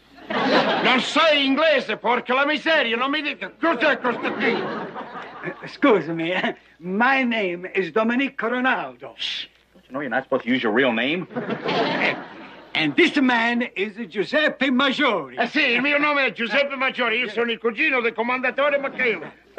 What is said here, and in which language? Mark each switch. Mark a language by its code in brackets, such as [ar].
[it] Non sai inglese, porca la miseria, non mi dica, cos'è questo qui? Scusami, [en] my name is Domenico Ronaldo. Shh, don't you know you're not supposed to use your real name? And this man is Giuseppe Maggiore. [it] Sì, il mio nome è Giuseppe Maggiore, io sono il cugino del comandatore McHale.